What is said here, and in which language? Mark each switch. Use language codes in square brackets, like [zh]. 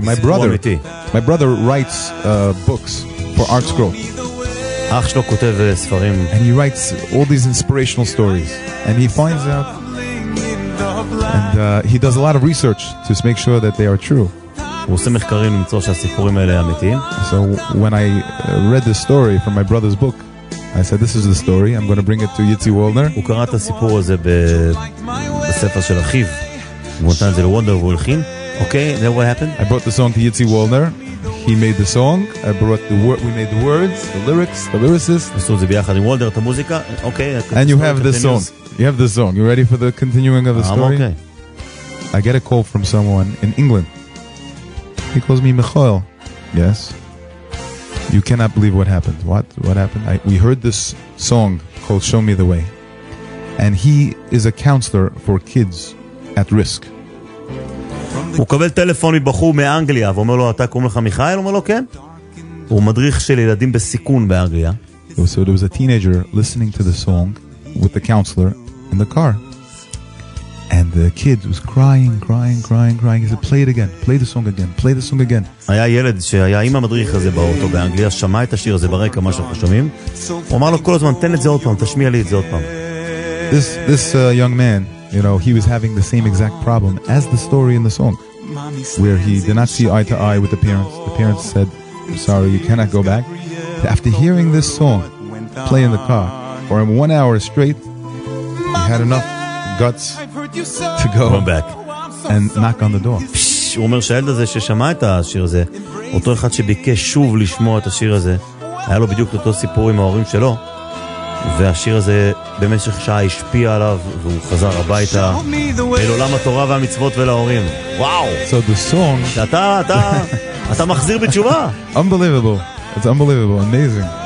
[en] My brother writes books for Art Scroll. [he] אח שלו כותב ספרים. [en] And he writes all these inspirational stories. And he finds out. And he does a lot of research to make sure that they are true. [he] הוא עושה מחקרים למצוא שהסיפורים האלה אמיתיים. [en] So when I read this story from my brother's book, I said, this is the story. I'm going to bring it to Yitzi Wolner. [he] הוא קרא את הסיפור הזה בספר של אחיו. [en] Okay, then what happened? I brought the song to Yitzi Wolner. He made the song. I brought the word. We made the words, the lyrics, the lyricist. Okay. And you have the song. You have the song. You ready for the continuing of the story? Okay. I get a call from someone in England. He calls me Michael. Yes. You cannot believe what happened. What happened? We heard this song called Show Me the Way. And he is a counselor for kids. At risk. [he] הוא קבל טלפון מבחור מאנגליה ואומר לו אתה קוראים לך מיכאל? אומר לו כן. הוא מדריך של ילדים בסיכון באנגליה. [en] So there was a teenager listening to the song with the counselor in the car. And the kid was crying. He said, play the song again. [he] היה ילד שהיה עם המדריך הזה באוטו באנגליה, שמע את השיר הזה ברקע, מה שאנחנו שומעים. הוא אמר לו כל הזמן, תן את זה עוד פעם, תשמיע לי את זה עוד פעם. [en] This young man, you know, he was having the same exact problem as the story in the song, where he did not see eye to eye with the parents. The parents said, I'm sorry, you cannot go back. But after hearing this song play in the car for 1 hour straight, he had enough guts to go back and knock on the door. [he] הוא אומר שהילד הזה ששמע את השיר הזה, אותו אחד שביקש שוב לשמוע את השיר הזה, היה לו בדיוק אותו סיפור עם ההורים שלו, והשיר הזה במשך שעה השפיע עליו והוא חזר הביתה אל עולם התורה והמצוות ולהורים. וואו, [en] so the song [he] אתה מחזיר בתשובה. [en] Unbelievable, it's unbelievable, amazing.